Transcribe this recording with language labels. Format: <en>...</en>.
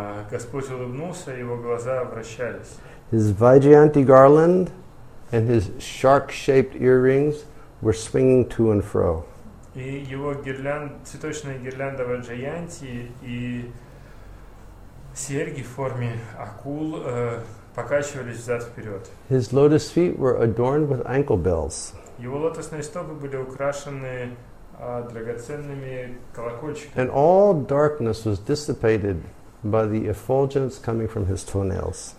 <ru>Господь улыбнулся, его глаза вращались.</ru> <en>His Vajayanti garland and his shark-shaped earrings were swinging to and fro.</en> <ru>И его цветочная гирлянда Vajayanti и серьги в форме акул покачивались взад-вперед.</ru> <en>His lotus feet were adorned with ankle bells.</en> <ru>Его лотосные стопы были украшены драгоценными колокольчиками.</ru> <en>And all darkness was dissipated by the effulgence coming from his toenails.</en>